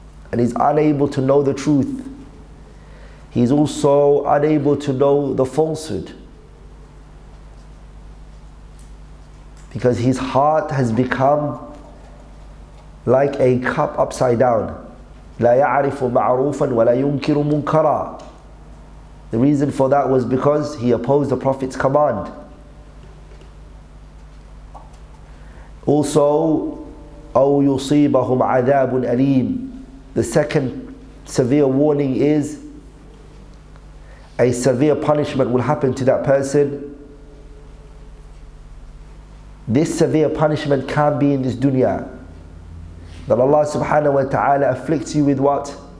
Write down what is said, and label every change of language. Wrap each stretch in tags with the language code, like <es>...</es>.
<en>And he's unable to know the truth. He's also unable to know the falsehood. Because his heart has become like a cup upside down.</en> <ar>لا يعرف معروفا ولا ينكر منكرا.</ar> <en>The reason for that was because he opposed the Prophet's command.</en> <ar>Also, أو يصيبهم عذاب أليم.</ar> <en>The second severe warning is a severe punishment will happen to that person. This severe punishment can't be in this dunya. That Allah subhanahu wa ta'ala afflicts you with what?</en>